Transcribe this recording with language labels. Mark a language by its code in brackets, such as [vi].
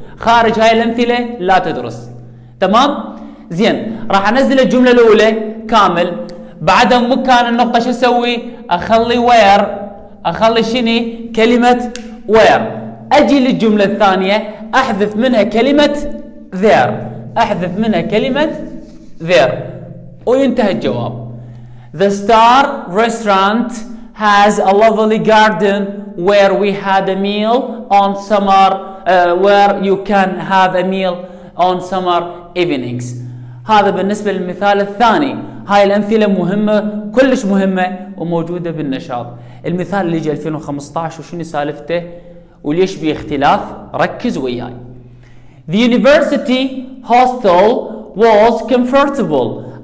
[ar] خارج هاي الامثلة لا تدرس، تمام؟ زين راح انزل الجملة الاولى كامل، بعدها مكان النقطة شو اسوي؟ اخلي وير، اخلي شني؟ كلمة وير. اجي للجملة الثانية احذف منها كلمة ذير، احذف منها كلمة ذير وينتهي الجواب. [en] The star restaurant has a lovely garden where we had a meal on summer where you can have a meal on summer evenings. [ar] هذا بالنسبة للمثال الثاني. هاي الأمثلة مهمة، كلش مهمة وموجودة بالنشاط. المثال اللي جاي 2015 وشنو سالفته وليش باختلاف، ركز وياي. [en] The university hostel was comfortable.